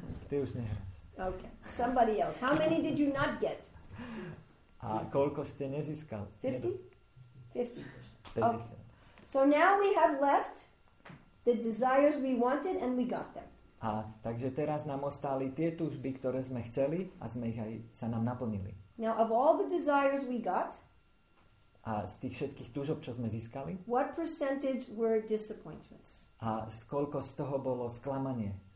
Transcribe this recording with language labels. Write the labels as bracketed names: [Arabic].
[Slovak] Ty už nehráš. [English] Okay. Somebody else. How many did you not get? [Slovak] A koľko ste nezískal? [English] 50? 50%. Okay. So now we have left the desires we wanted and we got them. [Slovak] A takže teraz nám ostali tie túžby, ktoré sme chceli a sme ich aj sa nám naplnili. [English] Now of all the desires we got, [Slovak] a z tých všetkých túžob, čo sme získali, [English] what percentage were disappointments? [Slovak] A koľko z toho bolo sklamanie?